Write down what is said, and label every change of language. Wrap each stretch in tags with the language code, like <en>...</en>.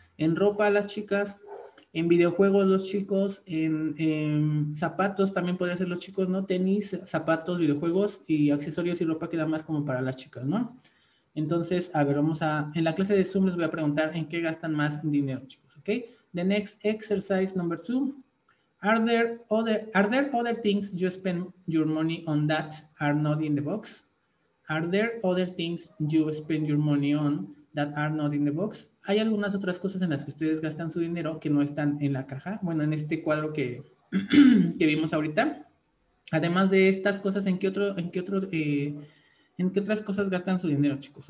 <es>¿En ropa las chicas? ¿En videojuegos los chicos? ¿En zapatos también podría ser los chicos, ¿no? Tenis, zapatos, videojuegos y accesorios y ropa queda más como para las chicas, ¿no? Entonces, a ver, en la clase de Zoom les voy a preguntar en qué gastan más dinero, chicos, ¿ok?</es> <en>The next exercise number two. Are there other things you spend your money on that are not in the box? Are there other things you spend your money on that are not in the box?</en> <es>¿Hay algunas otras cosas en las que ustedes gastan su dinero que no están en la caja? Bueno, en este cuadro que vimos ahorita. Además de estas cosas, ¿en qué otras cosas gastan su dinero, chicos?</es>